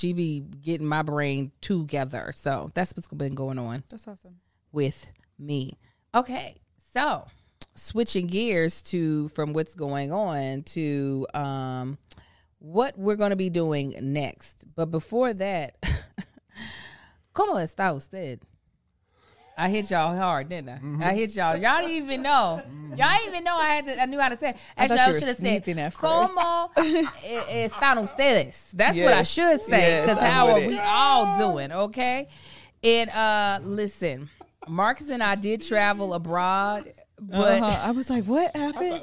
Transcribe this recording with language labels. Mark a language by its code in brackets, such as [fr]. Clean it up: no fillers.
[en] She be getting my brain together. So that's what's been going on. That's awesome. With me. Okay. So switching gears to from what's going on to what we're going to be doing next. But before that, [es] ¿cómo está usted? [en] I hit y'all hard, didn't I? Mm-hmm. I hit y'all. Y'all didn't even know. Mm-hmm. Y'all didn't even know I knew how to say it. Actually, I should have said, [es] ¿cómo están ustedes? [en] That's yes. what I should say, because yes, how are we all doing, okay? And listen, Marcus and I did travel abroad, but... I was like, what happened?